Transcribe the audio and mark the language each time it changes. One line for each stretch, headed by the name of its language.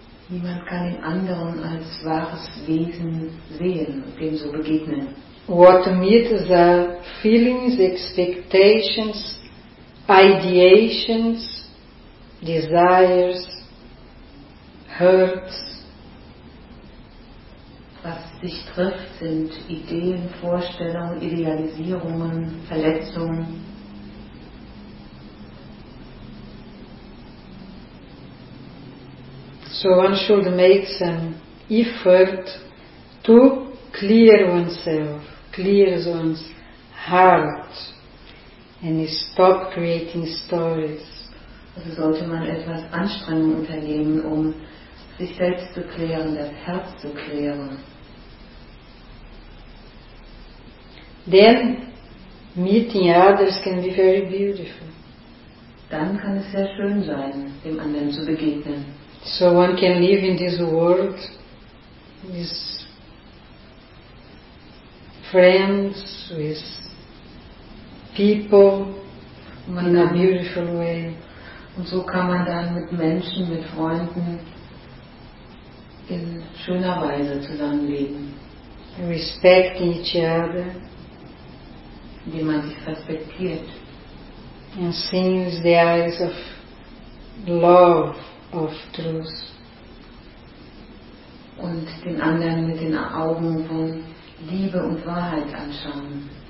German: Niemand kann den anderen als wahres Wesen sehen, dem so begegnen.
English: What meets are feelings, expectations, ideations, desires, hurts.
German: Was sich trifft, sind Ideen, Vorstellungen, Idealisierungen, Verletzungen.
English: So one should make some effort to clear oneself, clear one's heart, and stop creating stories.
German: Also sollte man etwas Anstrengung unternehmen, um sich selbst zu klären, das Herz zu klären.
English: Then meeting others can be very beautiful.
German: Dann kann es sehr schön sein, dem anderen zu begegnen.
English: So one can live in this world with friends, with people, in a beautiful way.
German: Und so kann man dann mit Menschen, mit Freunden in schöner Weise zusammenleben.
English: Respecting each other.
German: Indem man sich respektiert.
English: And seeing with the eyes of love, of truth.
German: Und den anderen mit den Augen von Liebe und Wahrheit anschauen.